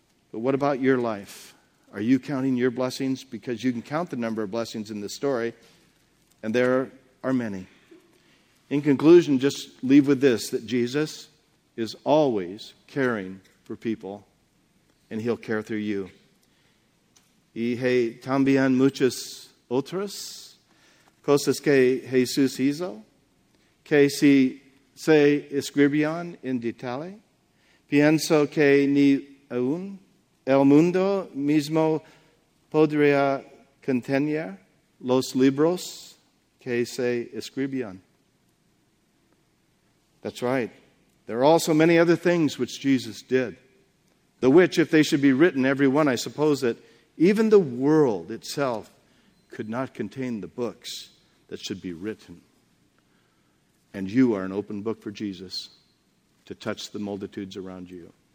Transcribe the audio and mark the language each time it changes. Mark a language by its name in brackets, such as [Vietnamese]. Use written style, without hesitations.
[English] But what about your life? Are you counting your blessings? Because you can count the number of blessings in this story, and there are many. In conclusion, just leave with this, that Jesus is always caring for people, and he'll care through you. [Spanish] Y hay también muchas otras cosas que Jesús hizo, que si se escribían en detalle, pienso que ni aún el mundo mismo podría contener los libros que se escribían. [English] That's right. There are also many other things which Jesus did, the which, if they should be written, every one, I suppose that even the world itself could not contain the books that should be written. And you are an open book for Jesus to touch the multitudes around you.